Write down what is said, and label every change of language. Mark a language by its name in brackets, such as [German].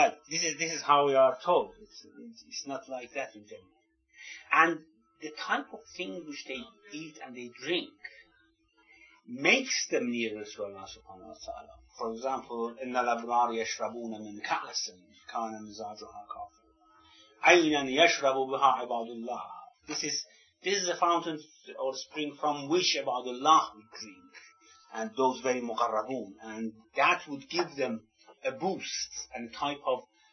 [English] this is how we are told. It's not like that in general. And the type of thing which they eat and they drink makes them nearer to Allah subhanahu wa ta'ala. For example, [Arabic] إِنَّ الْأَبْرَارِ يَشْرَبُونَ مِنْ كَأْسٍ كَانَ مِزَاجُهَا كَافِرًا عَيْنًا يَشْرَبُ بِهَا عِبَادُ اللَّهِ. [English] This is a fountain or spring from which Ibadullah would drink, and those very مُقَرَّبُونَ, and that would give them a boost and type of